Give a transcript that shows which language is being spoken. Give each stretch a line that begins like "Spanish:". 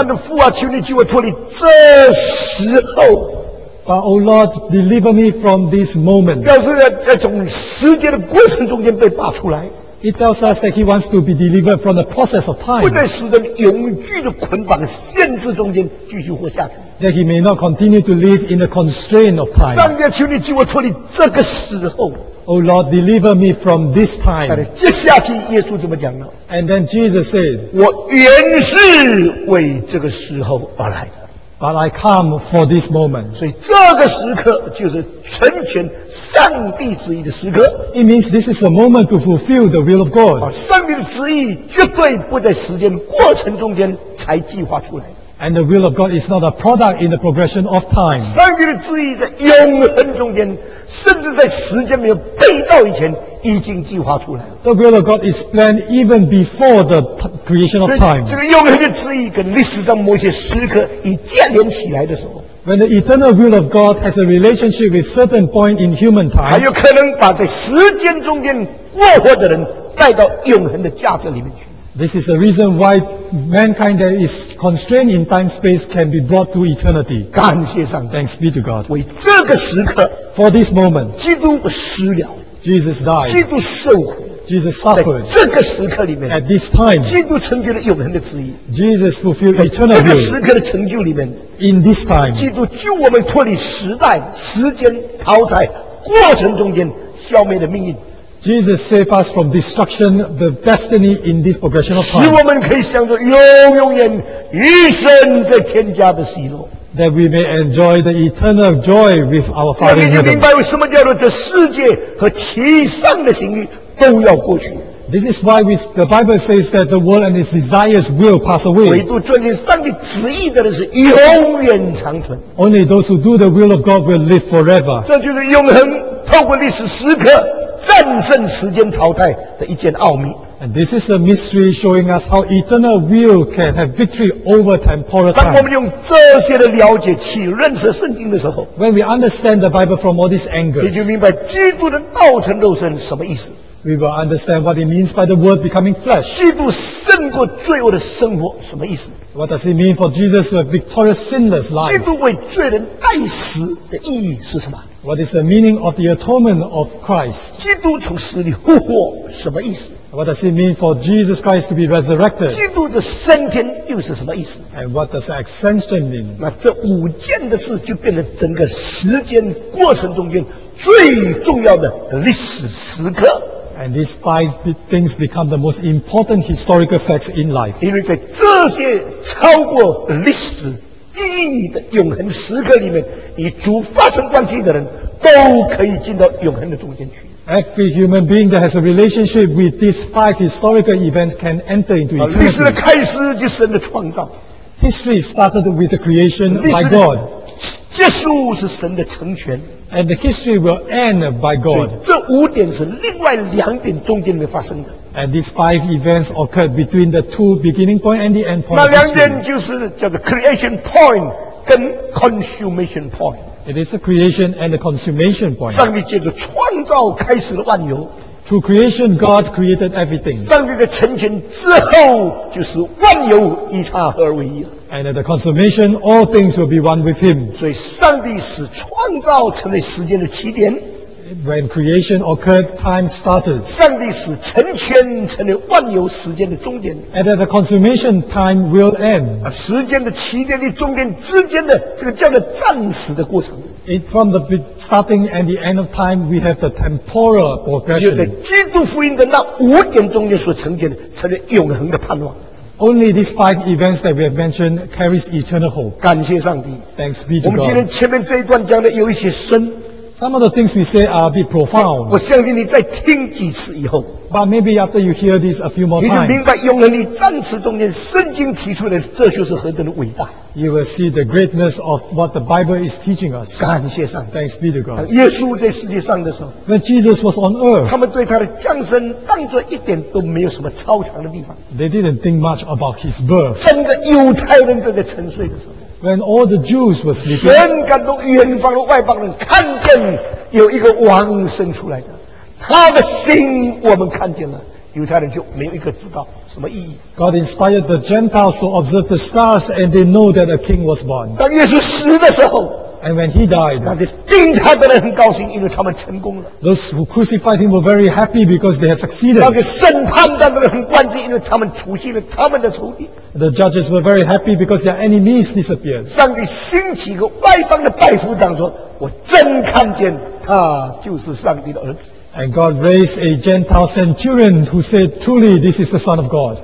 Chinese: 但是父啊，求你救我脱离这时候。
English: But Oh Lord, deliver me from this moment.
Chinese: 表示在从时间的过程中间被拔出来。
English: It tells us that he wants to be delivered from the process of time.
Chinese: 不在时的永居的捆绑限制中间继续活下去。
English: That he may not continue to live in the constraint of time.
Chinese: 上帝，求你救我脱离这个时候。
English: Oh Lord, deliver me from this time.
Chinese: 接下去耶稣怎么讲呢
English: ？And then Jesus said,
Chinese: 我原是为这个时候而来。
English: But I come for this moment.
Chinese: 所以这个时刻就是成全上帝旨意的时刻。
English: It means this is a moment to fulfill the will of God.
Chinese: 上帝的旨意绝对不在时间过程中间才计划出来。
English: And the will of God is not a product in the progression of time.
Chinese: 上帝的旨意在永恒中间，甚至在时间没有被造以前已经计划出来了。
English: The will of God is planned even before the creation of time.
Chinese: 这个永恒的旨意跟历史上某些时刻已建立起来的时候。
English: When the eternal will of God has a relationship with certain point in human time.
Chinese: 还有可能把在时间中间过活的人带到永恒的价值里面去。
English: This is the reason why mankind that is constrained in time space can be brought to eternity.
Chinese: 感谢上帝。
English: Thanks be to God.
Chinese: 为这个时刻。
English: For this moment.
Chinese: 基督死了。
English: Jesus died.
Chinese: 基督受苦。
English: Jesus suffered.
Chinese: 在这个时刻里面。
English: At this time.
Chinese: 基督成就了永恒的旨意。
English: Jesus fulfilled eternal will.
Chinese: 在这个时刻的成就里面。
English: In this time.
Chinese: 基督救我们脱离时代、时间、淘汰、过程中间消灭的命运。
English: Jesus save us from destruction, the destiny in this progression of time.
Chinese: 使我们可以享受永永远一生在天家的喜乐。
English: That we may enjoy the eternal joy with our Father in heaven.
Chinese: 这样你就明白为什么叫做这世界和其上的情欲都要过去。
English: This is why the Bible says that the world and its desires will pass away.
Chinese: 唯独遵循上帝旨意的人是永远长存。
English: Only those who do the will of God will live forever.
Chinese: 这就是永恒透过历史时刻。战胜时间淘汰的一件奥秘。
English: And this is the mystery showing us how eternal will can have victory over temporal time.
Chinese: 当我们用这些的了解去认识圣经的时候
English: ，When we understand the Bible from all these angles,
Chinese: 你就明白基督的道成肉身什么意思。
English: We will understand what it means by the word becoming flesh.
Chinese: 基督胜过罪恶的生活什么意思
English: ？What does it mean for Jesus to have victorious sinless life?
Chinese: 基督为罪人代死的意义是什么？
English: What is the meaning of the atonement of Christ?
Chinese: 基督从死里复活什么意思
English: ？What does it mean for Jesus Christ to be resurrected?
Chinese: 基督的升天又是什么意思
English: ？And what does the ascension mean?
Chinese: 那这五件的事就变成整个时间过程中间最重要的历史时刻。
English: And these five things become the most important historical facts in life.
Chinese: 因为在这些超过历史。记忆的永恒时刻里面，与主发生关系的人都可以进到永恒的中间去。
English: Every human being that has a relationship with these five historical events can enter into eternity.
Chinese: 历史的开始就是神的创造。
English: History started with the creation by God.
Chinese: 结束是神的成全。
English: And the history will end by God.
Chinese: 这五点是另外两点中间没发生的。
English: And these five events occurred between the two beginning point and the end point.
Chinese: 那两点就是叫做 creation point 跟 consummation point.
English: It is the creation and the consummation point.
Chinese: 上帝借着创造开始了万有。
English: Through creation, God created everything.
Chinese: 上帝的成全之后，就是万有以他合而为一。
English: And at the consummation, all things will be one with Him.
Chinese: 所以，上帝使创造成为时间的起点。
English: When creation occurred, time started.
Chinese: 上帝使成全成为万有时间的终点。
English: And at the consummation, time will end.
Chinese: 时间的起点与终点之间的这个叫做暂时的过程。
English: It, from the starting and the end of time, we have the temporal progression.
Chinese: 就在基督福音的那五点中间所成全的，成为永恒的盼望。
English: Only these five events that we have mentioned carries eternal hope.
Chinese: 感谢上帝。
English: Thanks be to God.
Chinese: 我们今天前面这一段讲的有一些深。
English: Some of the things we say are a bit profound.
Chinese: 我相信你再听几次以后。
English: But maybe after you hear this a few more times,
Chinese: 你就明白永恒与暂时中间圣经提出的这就是何等的伟大。
English: You will see the greatness of what the Bible is teaching us.
Chinese: 感谢上帝。
English: Thanks be to God.
Chinese: 耶稣在世界上的时候，
English: when Jesus was on earth,
Chinese: 他们对他的降生当作一点都没有什么超常的地方。
English: They didn't think much about his birth.
Chinese: 整个犹太人正在沉睡的时候。
English: When all the Jews were sleeping,
Chinese: 全感动远方的外邦人看见有一个王生出来的，他的心我们看见了，犹太人就没有一个知道什么意义。
English: God inspired the Gentiles to observe the stars, and they know that a king was born.
Chinese: 当耶稣死的时候，
English: and when he died,
Chinese: 那些钉他的人很高兴，因为他们成功了。
English: Those who crucified him were very happy because they had succeeded.
Chinese: 那些审判他的人很欢喜，因为他们除去了他们的仇敌。
English: The judges were very happy because their enemies disappeared.
Chinese: 上帝兴起一个外邦的拜服长说，我真看见他就是上帝的儿子。
English: And God raised a Gentile centurion who said, truly, this is the Son of God.